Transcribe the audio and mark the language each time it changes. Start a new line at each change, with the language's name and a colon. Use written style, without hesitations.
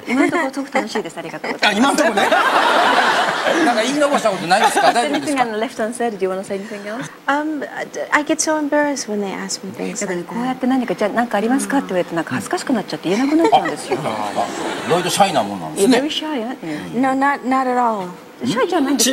Japanese: 今のところすごく楽しいです。ありがとうございます。今のところね。なんか言い残したことないですか？大丈夫ですか？
English: Anything left unsaid? Do you want to say anything else? I get so embarrassed when they ask me things.
Japanese: だからこうやって何かじゃあ何かありますかって言われてなんか恥ずかしくなっちゃって言えなくなっちゃうんですよ。いろいろシャイなもんなんですね。
English: You're very shy, aren't you? No, not at all.
Japanese: シャイじゃないんです